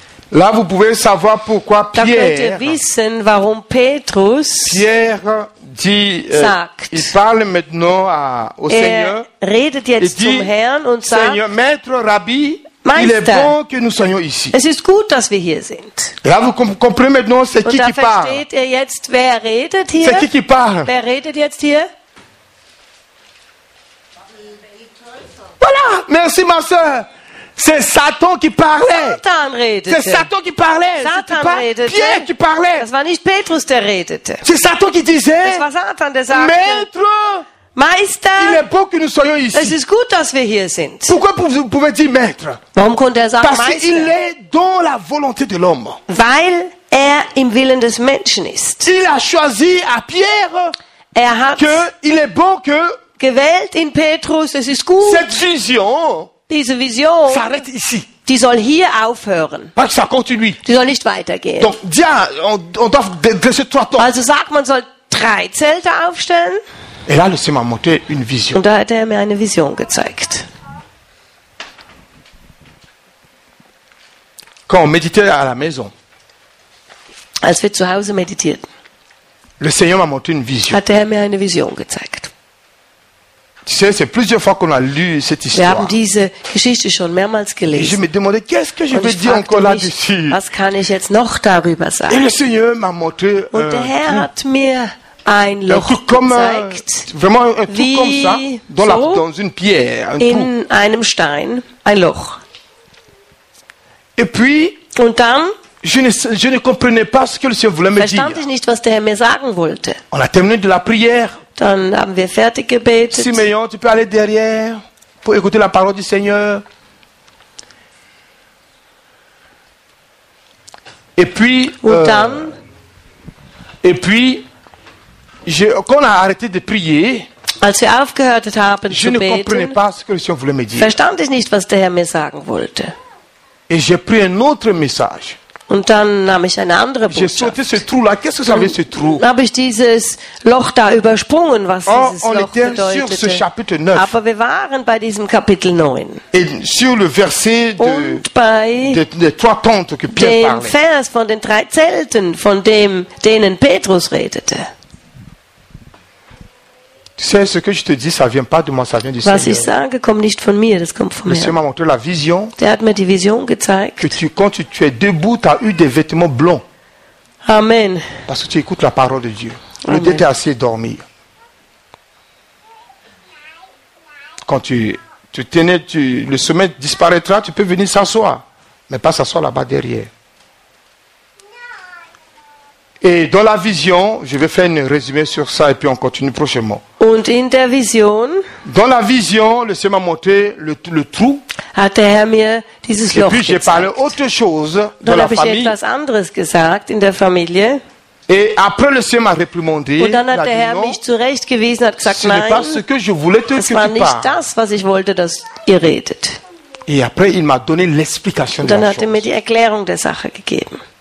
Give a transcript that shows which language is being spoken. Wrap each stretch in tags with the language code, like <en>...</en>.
<fr>Là, vous pouvez savoir pourquoi Pierre.</fr> <de>Da könnt ihr wissen, warum Petrus.</de> <fr>Pierre dit.</fr> <de>Sagt,</de> <fr>il parle maintenant à, au</fr> <de>er</de> <fr>Seigneur.</fr> <de>Redet jetzt</de> <fr>et dit,</fr> <de>zum Herrn und sagt.</de> <fr>Seigneur, maître, rabbi.</fr> <de>Meister,</de> <fr>il est bon que nous soyons ici.</fr> <de>Es ist gut, dass wir hier sind.</de> <fr>Là, vous comprenez maintenant c'est</fr> <de>Und</de> <fr>qui</fr> <de>da</de> <fr>qui parle.</fr> <de>Versteht ihr jetzt, wer redet hier?</de> <fr>C'est qui parle.</fr> <de>Wer redet jetzt hier?</de> <fr>Voilà! Merci, ma soeur! C'est Satan qui parlait.</fr> <de>Satan redete.</de> <fr>C'est Satan qui parlait.</fr> <de>Satan</de> <fr>pas</fr> <de>redete.</de> <fr>Pierre qui parlait.</fr> <de>Das war nicht Petrus, der redete.</de> <fr>C'est Satan qui disait.</fr> <de>Es war Satan, der sagte.</de> <fr>Maître!</fr> <de>Meister,</de> <fr>il est bon que nous soyons ici.</fr> <de>Es ist gut, dass wir hier sind.</de> <fr>Pourquoi vous pouvez dire maître?</fr> <de>Warum konnte er sagen,</de> <fr>Parce</fr> <de>Meister?</de> <fr>Qu'il est dans la volonté de l'homme.</fr> <de>Weil er im Willen des Menschen ist.</de> <fr>Il a choisi à Pierre</fr> <de>er hat</de> <fr>que il est bon que</fr> <de>gewählt in Petrus, es ist gut.</de> <fr>Cette vision,</fr> <de>diese vision</de> <fr>s'arrête ici.</fr> <de>Die soll hier aufhören.</de> <fr>Parce que ça continue.</fr> <de>Die soll nicht weitergehen.</de> <fr>Donc, on doit dresser trois temps.</fr> <de>Also sagt, man soll drei Zelte aufstellen.</de> <fr>Et là, le Seigneur m'a montré une vision.</fr> <de>Und da hat er mir eine Vision gezeigt.</de> <fr>Quand on méditait à la maison,</fr> <de>als wir zu Hause meditierten,</de> <fr>le Seigneur m'a montré une vision.</fr> <de>Hat er mir eine Vision gezeigt.</de> <fr>Tu sais, c'est plusieurs fois qu'on a lu cette histoire.</fr> <de>Wir haben diese Geschichte schon mehrmals gelesen.</de> <fr>Et je me demandais, qu'est-ce que je</fr> <de>Und</de> <fr>vais dire encore là-dessus?</fr> <de>Was kann ich jetzt noch darüber sagen?</de> <fr>Et le Seigneur m'a montré</fr> <de>Und der Herr hat mir ein Loch gezeigt,</de> <fr>vraiment un truc comme ça, dans,</fr> <de>so?</de> <fr>La, dans une pierre, un</fr> <de>in</de> <fr>trou.</fr> <de>Einem Stein, ein Loch.</de> <fr>Et puis,</fr> <de>Und dann,</de> <fr>je ne comprenais pas ce que le Seigneur voulait me dire.</fr> <de>Verstand ich nicht, was der Herr mir sagen wollte.</de> <fr>On a terminé de la prière.</fr> <de>Dann haben wir fertig gebetet.</de> <fr>Simeon, tu peux aller derrière pour écouter la parole du Seigneur. Et puis, quand on a arrêté de prier,</fr> <de>als wir aufgehört haben zu beten,</de> <fr>comprenais pas ce que le Seigneur voulait me dire.</fr> <de>Verstand ich nicht, was der Herr mir sagen wollte.</de> <fr>Et j'ai pris un autre message.</fr> <de>Und dann nahm ich eine andere Botschaft. Dann habe ich dieses Loch da übersprungen, was dieses Loch bedeutete. Aber wir waren bei diesem Kapitel 9. Et sur le verset und bei dem Vers von den drei Zelten, von dem, denen Petrus redete. Was ich sage, kommt nicht von mir, das kommt vom Herrn. Der hat mir die Vision gezeigt.</de> <fr>Que tu, quand tu es debout, t'as eu des vêtements blonds. Amen. Parce que tu écoutes la parole de Dieu. Amen. Tu étais assis dormi. Quand tu tenais, le sommeil disparaîtra, tu peux venir s'asseoir. Mais pas s'asseoir là-bas derrière. Et dans la vision, je vais faire un résumé sur ça et puis on continue prochainement.</fr> <de>Und in der Vision,</de> <fr>dans la vision, le Seigneur m'a montré le trou.</fr> <de>Hat der Herr mir dieses Loch</de> <fr>et puis j'ai parlé autre chose dans la famille.</fr> <de>Dann habe ich etwas anderes gesagt in der Familie.</de> <fr>Et après le Seigneur m'a réprimandé.</fr> <de>Und dann hat der Herr mich zurechtgewiesen, hat gesagt, nein,</de> <fr>c'est pas ce que je voulais que tu parles.</fr> <de>Es war nicht das, was ich wollte, dass ihr redet.</de> <fr>Et après il m'a donné l'explication de la chose.</fr> <de>Dann hat er mir die Erklärung der Sache gegeben.</de>